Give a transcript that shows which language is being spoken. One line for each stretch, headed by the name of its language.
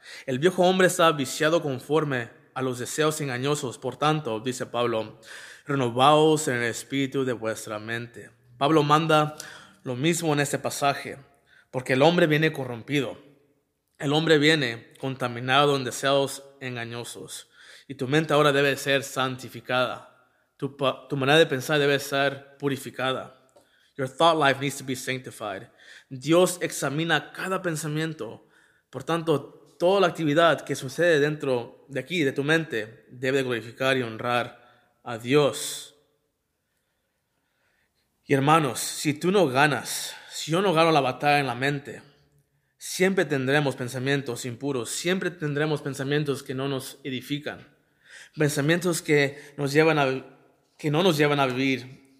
Spanish: El viejo hombre está viciado conforme a los deseos engañosos, por tanto, dice Pablo, renovaos en el espíritu de vuestra mente. Pablo manda lo mismo en este pasaje, porque el hombre viene corrompido. El hombre viene contaminado en deseos engañosos. Y tu mente ahora debe ser santificada. Tu manera de pensar debe ser purificada.
English: Your thought life needs to be sanctified.
Spanish: Dios examina cada pensamiento. Por tanto, toda la actividad que sucede dentro de aquí, de tu mente, debe glorificar y honrar a Dios. Y hermanos, si tú no ganas, si yo no gano la batalla en la mente, siempre tendremos pensamientos impuros, siempre tendremos pensamientos que no nos edifican, pensamientos que no nos llevan a vivir